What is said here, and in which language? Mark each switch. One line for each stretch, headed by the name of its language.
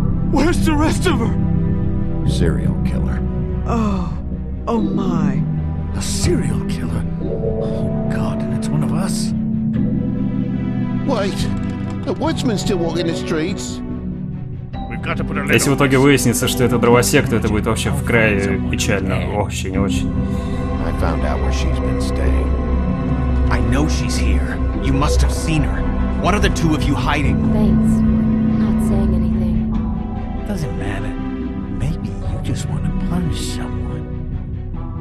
English: Where's the rest of her? Serial killer. Oh, oh my. A serial killer? Oh God, and it's one of us. Wait, the woodsman still walking the streets.
Russian: Если в итоге выяснится, что это дровосек, то это будет вообще в крае печально. Вообще не очень.
English: I found out where she's been staying. I know she's here. You must have seen her. What are the two of you hiding? Thanks. Not saying anything. Doesn't matter. Maybe you just want to punish someone.